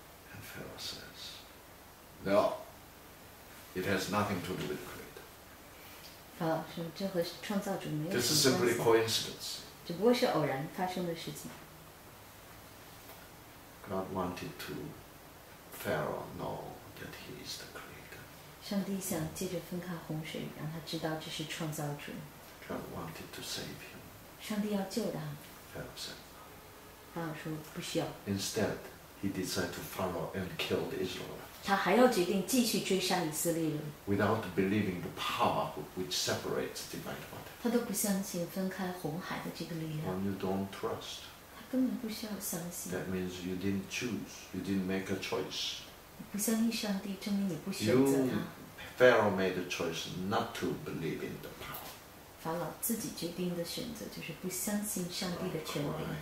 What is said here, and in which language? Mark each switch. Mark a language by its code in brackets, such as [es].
[en] And Pharaoh says, No, it has nothing to do with creator. [zh] 法老说这和创造主没有什么关系。 [en] This is simply coincidence. [zh] 只不过是偶然发生的事情。 [en] God wanted to. Pharaoh know that he is the creator. [zh] 上帝想借着分开洪水，让他知道这是创造主。 [en] God wanted to save him. [zh] 上帝要救他。 [en] Pharaoh said. [zh] 法老说不需要。 [en] Instead, he decided to follow and kill the Israelites. [zh] 他还要决定继续追杀以色列人。 [en] Without believing the power which separates the divine water. [zh] 他都不相信分开洪海的这个力量。 [en] When you don't trust. [zh] 根本不需要相信。 [en] That means you didn't choose, you didn't make a choice. [zh] 不相信上帝，证明你不选择他。 [en] Pharaoh made a choice not to believe in the power. [zh] 法老自己决定的选择就是不相信上帝的权柄。